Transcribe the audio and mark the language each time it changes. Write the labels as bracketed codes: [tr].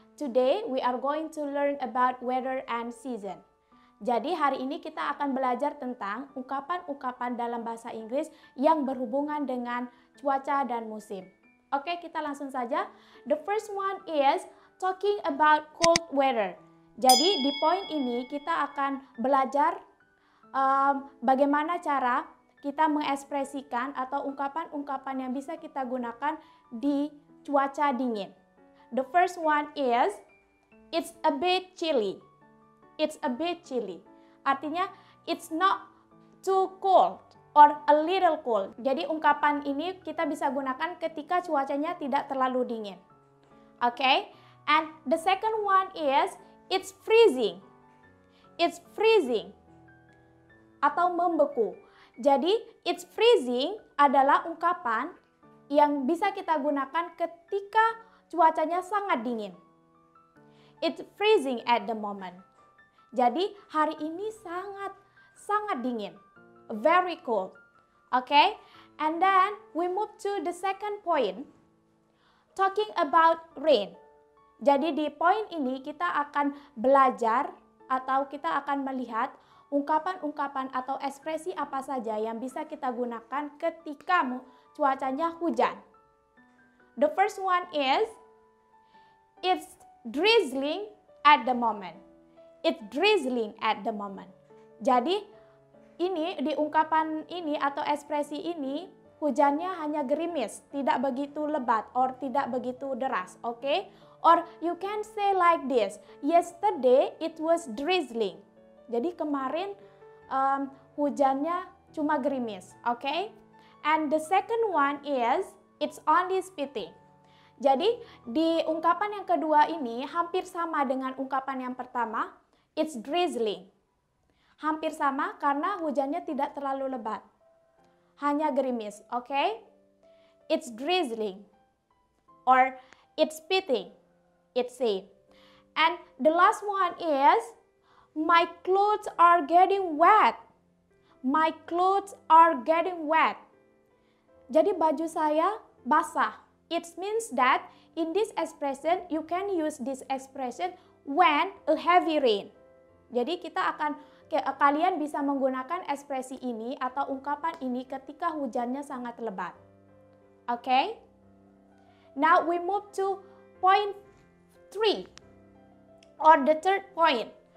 [en] Today we are going to learn about weather and season. [id] Jadi hari ini kita akan belajar tentang ungkapan-ungkapan dalam bahasa Inggris yang berhubungan dengan cuaca dan musim. Oke, kita langsung saja. [en] The first one is talking about cold weather. [id] Jadi di poin ini kita akan belajar bagaimana cara kita mengekspresikan atau ungkapan-ungkapan yang bisa kita gunakan di cuaca dingin. [en] The first one is, it's a bit chilly. It's a bit chilly. [id] Artinya, [en] it's not too cold or a little cold. [id] Jadi, ungkapan ini kita bisa gunakan ketika cuacanya tidak terlalu dingin. [en] Okay? And the second one is, it's freezing. It's freezing. [id] Atau membeku. Jadi, [en] it's freezing [id] adalah ungkapan yang bisa kita gunakan ketika cuacanya sangat dingin. [en] It's freezing at the moment. [id] Jadi, hari ini sangat dingin. [en] Very cold. Okay? And then, we move to the second point. Talking about rain. [id] Jadi, di poin ini kita akan belajar atau kita akan melihat ungkapan-ungkapan atau ekspresi apa saja yang bisa kita gunakan ketika cuacanya hujan. [en] The first one is, it's drizzling at the moment. It's drizzling at the moment. [id] Jadi, ini di ungkapan ini atau ekspresi ini, hujannya hanya gerimis, tidak begitu lebat or tidak begitu deras, okay? [en] Or you can say like this, yesterday it was drizzling. [id] Jadi kemarin hujannya cuma gerimis, okay? [en] And the second one is, it's only spitting. [id] Jadi di ungkapan yang kedua ini hampir sama dengan ungkapan yang pertama, [en] it's drizzling. [id] Hampir sama karena hujannya tidak terlalu lebat. Hanya gerimis, [en] okay? It's drizzling. Or it's spitting. It's safe. And the last one is, my clothes are getting wet. My clothes are getting wet. [id] Jadi baju saya basah. [en] It means that in this expression, you can use this expression when a heavy rain. [id] Jadi kalian bisa menggunakan ekspresi ini atau ungkapan ini ketika hujannya sangat lebat. [en] Okay? Now we move to point 3 or the third point.